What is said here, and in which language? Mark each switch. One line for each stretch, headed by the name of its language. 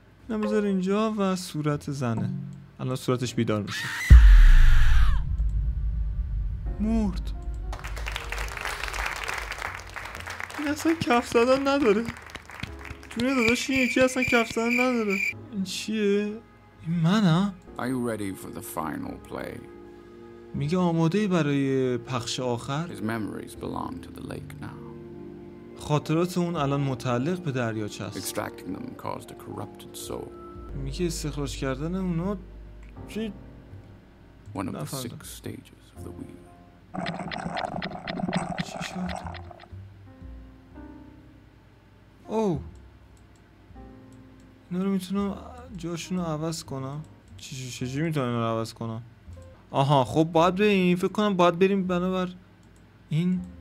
Persian: نمیذار اینجا و صورت زنه. الان صورتش بیدار میشه. مرد. این اصلا کف زدن نداره. جونه داداش این یکی اصلا کف زدن نداره. این چیه؟ این منم؟
English: Are you ready for the final play?
Persian: میگه آماده برای پخش آخر؟
English: His memories belong to the lake now.
Persian: خاطرات اون الان متعلق به دریاچه است.
English: Extracting them caused a corrupted soul.
Persian: میگه استخراج کردن اونا چی؟
English: One of the six stages of the wheel.
Persian: چی شد؟ او اینا رو میتونم جاشون رو عوض کنم. چجوری میتونم اینا رو عوض کنم؟ آها خب باید بریم، فکر کنم باید بریم بنابر این.